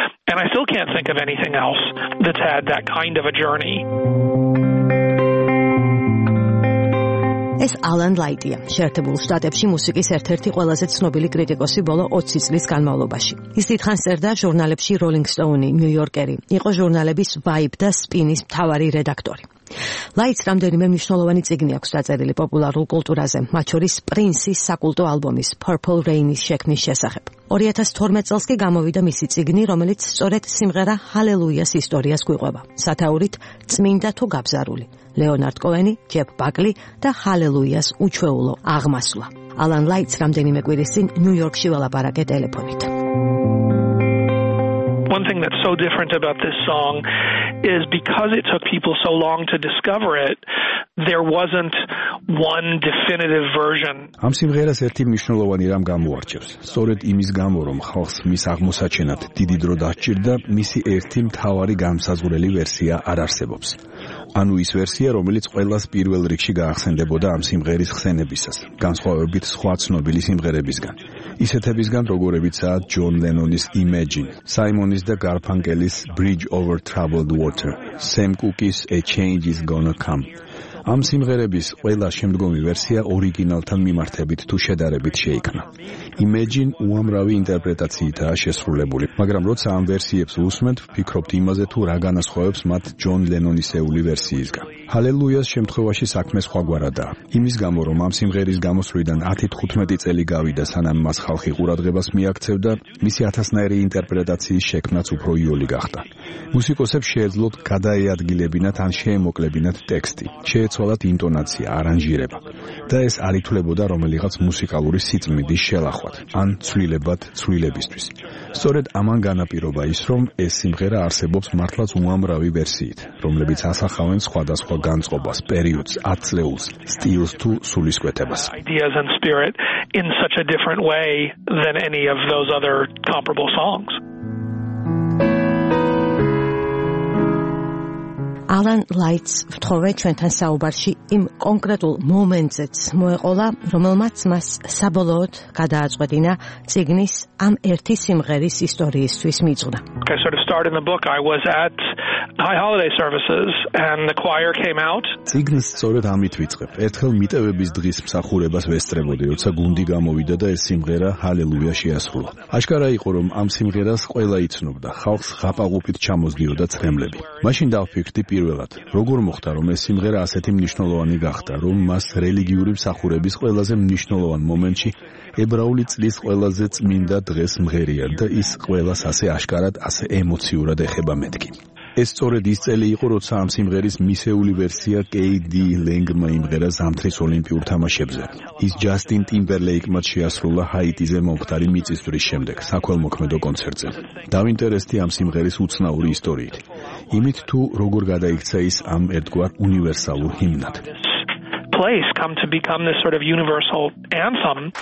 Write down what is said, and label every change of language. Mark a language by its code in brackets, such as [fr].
[en] And I still can't think of anything else that's had that kind of a journey. [ka] ეს ალან ლაიტია, შეერთებულ შტატებში მუსიკის ერთ-ერთი ყველაზე ცნობილი კრიტიკოსი ბოლო 20 წლის განმავლობაში. ის დიდხანს წერდა ჟურნალებში Rolling Stone-ი, New Yorker-ი, იყო ჟურნალების Vibe და Spin-ის მთავარი რედაქტორი. ლაიტს რამდენიმე მნიშვნელოვანი წიგნი აქვს დაწერილი პოპულარულ კულტურაზე, მათ შორის პრინსის საკულტო ალბომის Purple Rain-ის შექმნის შესახებ. 2012 წელს კი გამოვიდა მისი წიგნი, რომელიც სწორედ სიმღერა Hallelujah-ს ისტორიას გვიყვება. სათაურით წმინდა თუ გაბზარული. ლეონარდ კოენი, ჯეფ ბაკლი და Hallelujah-ს უჩვეულო აღმასვლა. ალან ლაიტს რამდენიმე კვირის წინ ნიუ-იორკში ველაპარაკე ტელეფონით. [en] One thing that's so different about this song is because it took people so long to discover it, there wasn't one definitive version. [ka] ამ სიმღერას ერთი მნიშვნელოვანი რამ გამოარჩევს. სწორედ იმის გამო, რომ ხალხს მის აღმოსაჩენად დიდი დრო დასჭირდა, მისი ერთი მთავარი განსაზღვრელი ვერსია არ არსებობს. ანუ ის ვერსია, რომელიც ყველას პირველ რიგში გაახსენდებოდა ამ სიმღერის ხსენებისას, განსხვავებით სხვა ცნობილი სიმღერებისგან. ისეთებისგან, როგორებიცაა ჯონ ლენონის Imagine, საიმონის და გარფანკელის Bridge Over Troubled Water, Sam Cooke-ის A Change Is Gonna Come. ამ სიმღერების ყველა შემდგომი ვერსია ორიგინალთან მიმართებით თუ შედარებით შეიქმნა. Imagine უამრავი ინტერპრეტაციითაა შესრულებული, მაგრამ როცა ამ ვერსიებს უსმენთ, ფიქრობთ იმაზე, თუ რა განასხვავებს მათ ჯონ ლენონისეული ვერსიისგან. Hallelujah-ს შემთხვევაში საქმე სხვაგვარადაა. იმის გამო, რომ ამ სიმღერის გამოსვლიდან 10-15 წელი გავიდა, სანამ მას ხალხი ყურადღებას მიაქცევდა, მისი ათასნაირი ინტერპრეტაციის შექმნაც უფრო იოლი გახდა. მუსიკოსებს შეეძლოთ გადაეადგილებინათ ან შეემოკლებინათ ტექსტი, შეეცვალათ ინტონაცია, არანჟირება და ეს არ ითვლებოდა რომელიღაც მუსიკალური სიწმიდის შელახვად ან ცვლილებად ცვლილებისთვის. სწორედ ამან განაპირობა ის, რომ ეს სიმღერა არსებობს მართლაც უამრავი ვერსიით, რომლებიც ასახავენ სხვადასხვა განწყობას, პერიოდს, ათწლეულს, სტილს თუ სულისკვეთებას. [en] Ideas and spirit in such a different way than any of those other comparable songs. [ka] Alan Lights ვთხოვე ჩვენთან საუბარში იმ კონკრეტულ მომენტზეც მოეყოლა, რომელმაც მას საბოლოოდ გადააწყვეტინა წიგნის ამ ერთი სიმღერის ისტორიისთვის მიძღვნა. [en] I sort of started in the book I was at High Holiday services and the choir came out. [ka] Cygnus სწორედ ამით ვიწყებ. ერთხელ მიტევების დღის მსახურებას ვესწრებოდი, როცა გუნდი გამოვიდა და ეს სიმღერა ჰალელუია შეასრულა. აშკარა იყო, რომ ამ სიმღერას ყველა იცნობდა. ხალხს ღაპაღუპით ჩამოსდიოდა ცხემლები. მაშინ დავფიქრდი პირველად, როგორ მოხდა, რომ ეს სიმღერა ასეთი მნიშვნელოვანი გახდა, რომ მას რელიგიური მსახურების ყველაზე მნიშვნელოვან მომენტში ებრაული წლის ყველაზე წმინდა დღეს მღერია და ის ყველას ასე აშკარად, ასე ემოციურად ეხება მეთქი. ეს სწორედ ის წელი იყო, როცა ამ სიმღერის მისეული ვერსია კეიდი ლენგმა იმღერა ზამთრის ოლიმპიურ თამაშებზე. ის ჯასტინ ტიმბერლეიკმა შეასრულა ჰაიტიზე მომხდარი მიწისძვრის შემდეგ საქველმოქმედო კონცერტზე. დავინტერესდი ამ სიმღერის უცნაური ისტორიით, იმით თუ როგორ გადაიქცა ის ამ ერთგვარ უნივერსალურ ჰიმნად. [en] Place come to become this sort of universal anthem.